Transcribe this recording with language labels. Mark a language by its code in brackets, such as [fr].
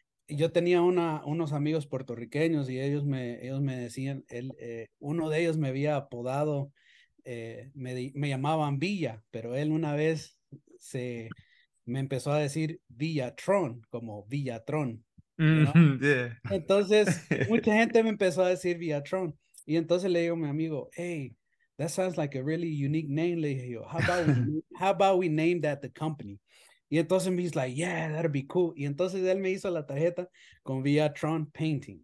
[es] Yo tenía unos amigos puertorriqueños y ellos me decían, uno de ellos me había apodado, me llamaban Villa, pero él una vez me empezó a decir Villatron, como Villatron, Entonces, mucha gente me empezó a decir Villatron. Y entonces le digo a mi amigo, [en] hey, that sounds like a really unique name. [es] Le dije yo, [en] how about we name that the company? [es] Y entonces me dice, [en] like, yeah, that'd be cool. [es] Y entonces él me hizo la tarjeta con Villatron Painting.